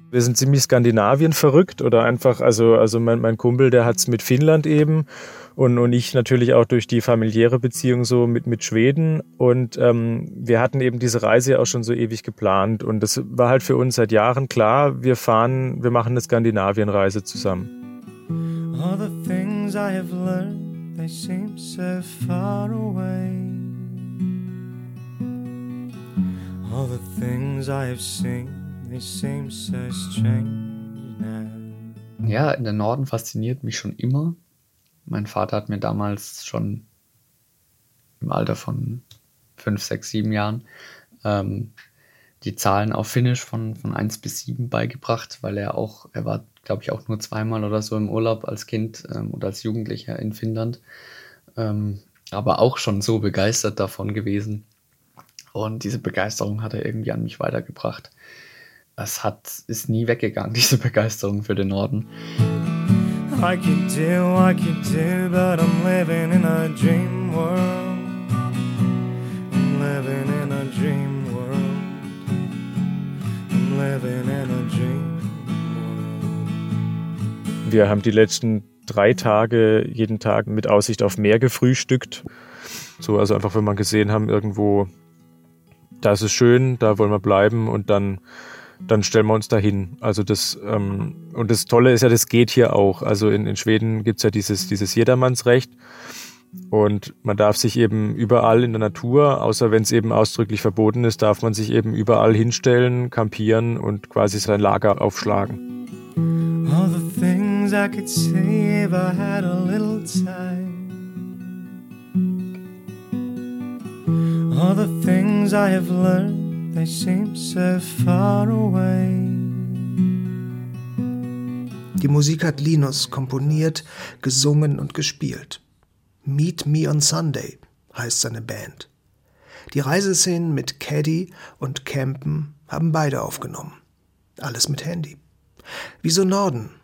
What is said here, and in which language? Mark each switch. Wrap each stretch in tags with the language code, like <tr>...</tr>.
<de>Wir sind ziemlich Skandinavien verrückt oder einfach, also mein Kumpel, der hat es mit Finnland eben und ich natürlich auch durch die familiäre Beziehung so mit Schweden und wir hatten eben diese Reise auch schon so ewig geplant und das war halt für uns seit Jahren klar, wir machen eine Skandinavien-Reise zusammen.</de> <en>All the things I have learned, they seem so far away. All the things I have seen, they seem so strange now.</en> <de>Ja, in den Norden fasziniert mich schon immer. Mein Vater hat mir damals schon im Alter von 5, 6, 7 Jahren die Zahlen auf Finnisch von 1 bis 7 beigebracht, weil er war, glaube ich, auch nur zweimal oder so im Urlaub als Kind oder als Jugendlicher in Finnland, aber auch schon so begeistert davon gewesen. Und diese Begeisterung hat er irgendwie an mich weitergebracht. Es ist nie weggegangen, diese Begeisterung für den Norden.</de> <en>I could do, but I'm living in a dream world. I'm living in a dream world. I'm living in a dream world.</en> <de>Wir haben die letzten 3 Tage jeden Tag mit Aussicht auf Meer gefrühstückt. So, also einfach, wenn wir gesehen haben, irgendwo, da ist es schön, da wollen wir bleiben und dann stellen wir uns da hin. Also und das Tolle ist ja, das geht hier auch. Also in Schweden gibt es ja dieses Jedermannsrecht. Und man darf sich eben überall in der Natur, außer wenn es eben ausdrücklich verboten ist, darf man sich eben überall hinstellen, kampieren und quasi sein Lager aufschlagen.</de> <en>All the things I could say if I had a little time. All the things I have learned, they seem so far away.</en> <de>Die Musik hat Linus komponiert, gesungen und gespielt. Meet Me on Sunday heißt seine Band. Die Reiseszenen mit Caddy und Campen haben beide aufgenommen. Alles mit Handy. Wieso Norden?</de>